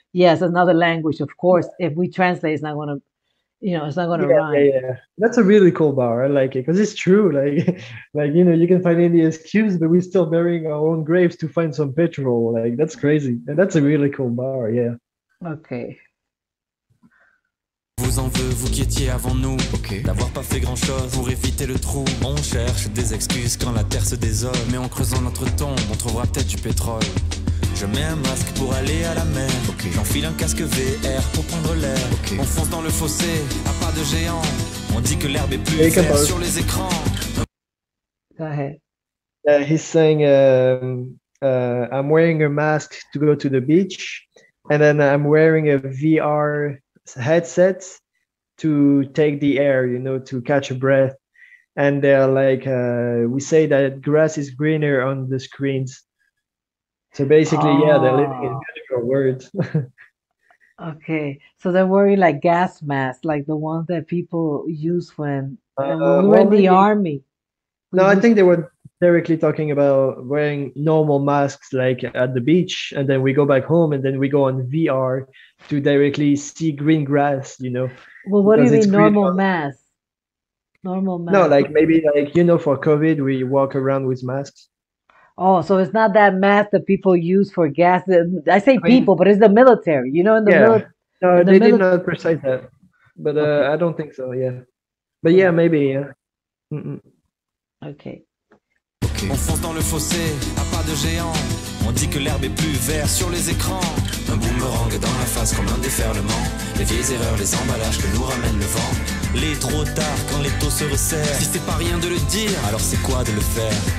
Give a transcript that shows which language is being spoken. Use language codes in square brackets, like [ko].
[en] Yes, another language, of course. Yeah. If we translate, it's not gonna, you know, it's not gonna rhyme. Yeah, that's a really cool bar. I like it because it's true. Like you know, you can find any excuse, but we're still burying our own graves to find some petrol. Like that's crazy, and that's a really cool bar. Yeah. Okay. [fr] Vous en veux, vous qui étiez avant nous, [en] okay. [fr] D'avoir pas fait grand chose pour éviter le trou. On cherche des excuses quand la terre se désole, mais en creusant notre tombe, on trouvera peut-être du pétrole. Je mets un masque pour aller à la mer, [en] okay. [fr] J'enfile un casque VR pour prendre l'air, [en] okay. [fr] On fonce dans le fossé à pas de géant. On dit que l'herbe est plus verte sur les écrans. [en] Go ahead. He's saying I'm wearing a mask to go to the beach, and then I'm wearing a VR headset to take the air, you know, to catch a breath. And they're like, we say that grass is greener on the screens. So basically, they're living in beautiful words. Okay, so they're wearing like gas masks, like the ones that people use when we were in the army. I think they were directly talking about wearing normal masks, like at the beach, and then we go back home, and then we go on VR to directly see green grass, you know. Well, what do you mean normal masks? Normal masks. No, like maybe like, you know, for COVID, we walk around with masks. Oh, so it's not that mask that people use for gas. But it's the military, you know, did not precise that, but I don't think so. Yeah, but yeah, maybe. Yeah. Okay. [fr] On fonce dans le fossé à pas de géant. On dit que l'herbe est plus verte sur les écrans. Un boomerang dans la face comme un déferlement. Les vieilles erreurs, les emballages que nous ramène le vent. Les trop tard quand les taux se resserrent. Si c'est pas rien de le dire, alors c'est quoi de le faire?